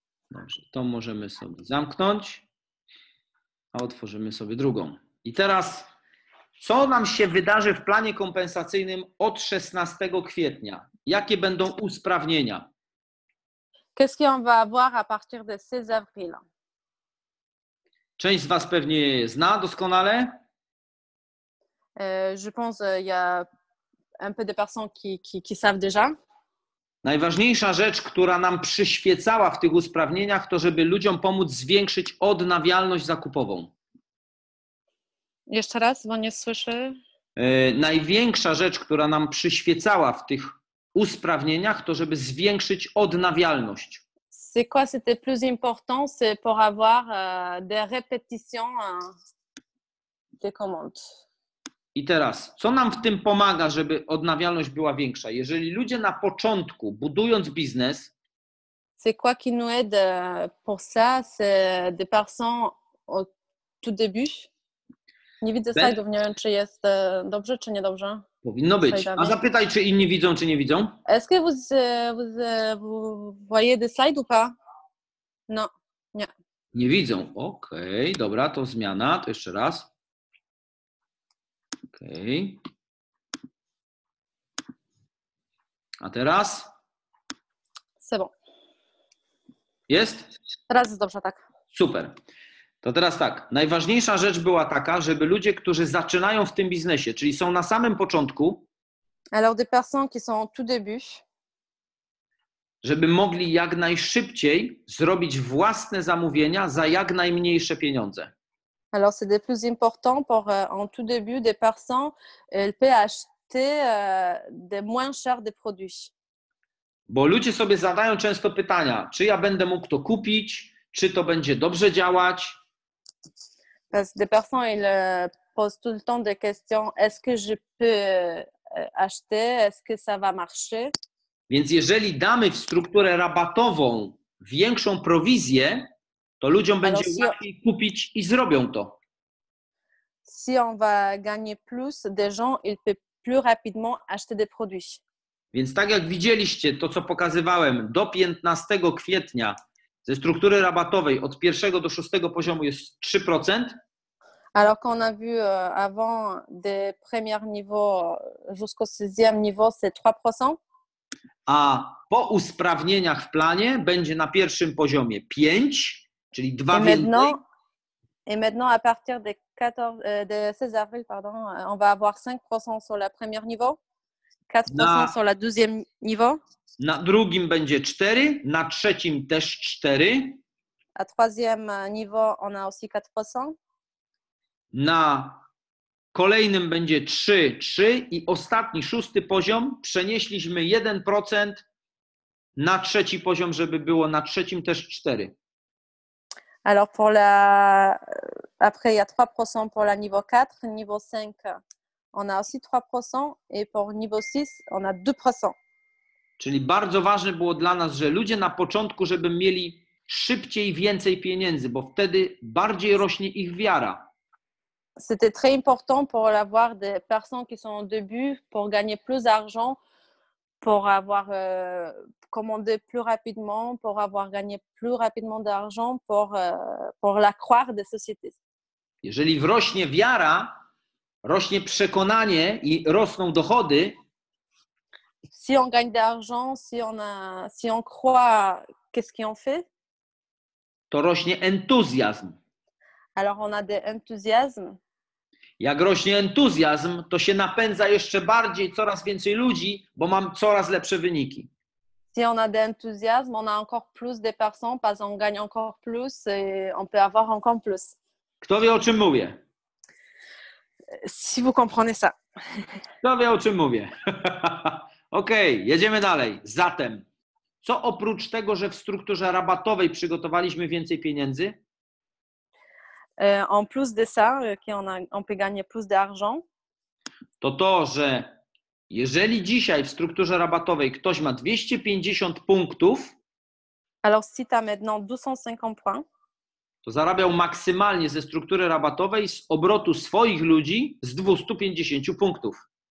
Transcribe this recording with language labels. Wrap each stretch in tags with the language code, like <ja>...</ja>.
<pl>Dobrze, to możemy sobie zamknąć, a otworzymy sobie drugą. I teraz, co nam się wydarzy w planie kompensacyjnym od 16 kwietnia? Jakie będą usprawnienia?</pl> <fr>Qu'est-ce qu'on va avoir à partir de 16 avril?</fr> <pl>Część z Was pewnie zna doskonale.</pl> <fr>Je pense qu'il y a un peu de personnes qui savent déjà.</fr> <pl>Najważniejsza rzecz, która nam przyświecała w tych usprawnieniach, to żeby ludziom pomóc zwiększyć odnawialność zakupową. Jeszcze raz, bo nie słyszę. Największa rzecz, która nam przyświecała w tych usprawnieniach, to żeby zwiększyć odnawialność.</pl> <fr>C'est quoi, c'était plus important, c'est pour avoir des répétitions des commandes.</fr> <pl>I teraz, co nam w tym pomaga, żeby odnawialność była większa? Jeżeli ludzie na początku, budując biznes,</pl> <fr>c'est quoi qui nous aide pour ça, c'est des personnes au tout début.</fr> <pl>Nie widzę slajdów, nie wiem, czy jest dobrze, czy niedobrze. Powinno być. A zapytaj, czy inni widzą, czy nie widzą.</pl> <fr>Est-ce que vous voyez des slajdów, pas?</fr> <pl>No, nie. Nie widzą. Okej, okay, dobra, to zmiana, to jeszcze raz. Okej. Okay. A teraz?</pl> <fr>C'est bon.</fr> <pl>Jest? Teraz jest dobrze, tak. Super. To teraz tak, najważniejsza rzecz była taka, żeby ludzie, którzy zaczynają w tym biznesie, czyli są na samym początku,</pl> <fr>alors des personnes qui sont au tout début,</fr> <pl>żeby mogli jak najszybciej zrobić własne zamówienia za jak najmniejsze pieniądze.</pl> <fr>Alors c'est le plus important pour en tout début des personnes, elles peuvent acheter des moins chers des produits.</fr> <pl>Bo ludzie sobie zadają często pytania, czy ja będę mógł to kupić, czy to będzie dobrze działać.</pl> <fr>Parce que des personnes ils posent tout le temps des questions, est-ce que je peux acheter, est-ce que ça va marcher?</fr> <pl>Więc jeżeli damy w strukturę rabatową większą prowizję, to ludziom będzie łatwiej kupić i zrobią to.</pl> <fr>Si on va gagner plus des gens, ils peuvent plus rapidement acheter des produits.</fr> <pl>Więc tak jak widzieliście, to co pokazywałem do 15 kwietnia ze struktury rabatowej od 1 do 6 poziomu jest 3%.</pl> <fr>Alors qu'on a vu avant des premiers niveaux jusqu'au 6e niveau c'est 3%.</fr> <pl>A po usprawnieniach w planie będzie na pierwszym poziomie 5, czyli 2 więcej.</pl> <fr>Et maintenant à partir des 14 de 16 avril pardon, on va avoir 5% sur le premier niveau. 4% sur le 12e niveau.</fr> <pl>Na drugim będzie 4, na trzecim też 4.</pl> <fr>A troisième niveau, on a aussi 4%.</fr> <pl>Na kolejnym będzie 3, 3 i ostatni, szósty poziom, przenieśliśmy 1% na trzeci poziom, żeby było na trzecim też 4.</pl> <fr>Alors pour la... Après, il y a 3% pour la niveau 4, niveau 5, on a aussi 3% et pour niveau 6, on a 2%.</fr> <pl>Czyli bardzo ważne było dla nas, że ludzie na początku, żeby mieli szybciej więcej pieniędzy, bo wtedy bardziej rośnie ich wiara.</pl> <fr>C'était très important pour avoir des personnes qui sont au début, pour gagner plus d'argent, pour avoir commandé plus rapidement, pour avoir gagné plus rapidement d'argent, pour la croire des sociétés.</fr> <pl>Jeżeli wrośnie wiara, rośnie przekonanie i rosną dochody.</pl> <fr>Si on gagne d'argent, si on a, si on croit, qu'est-ce qu'on fait?</fr> <pl>To rośnie entuzjazm.</pl> <fr>Alors on a des entuzjazmes.</fr> <pl>Jak rośnie entuzjazm, to się napędza jeszcze bardziej coraz więcej ludzi, bo mam coraz lepsze wyniki.</pl> <fr>Si on a des entuzjazmes, on a encore plus de personnes parce qu'on gagne encore plus et on peut avoir encore plus.</fr> <pl>Kto wie, o czym mówię?</pl> <fr>Si vous comprenez ça.</fr> <pl>Kto wie, o czym mówię? Okej, okay, jedziemy dalej. Zatem, co oprócz tego, że w strukturze rabatowej przygotowaliśmy więcej pieniędzy?</pl> <fr>En plus de ça, qu'on a, on peut gagner plus d'argent.</fr> <pl>To to, że jeżeli dzisiaj w strukturze rabatowej ktoś ma 250 punktów,</pl> <fr>alors si tu as maintenant 250 points,</fr> <pl>to zarabiał maksymalnie ze struktury rabatowej z obrotu swoich ludzi z 250 punktów.</pl>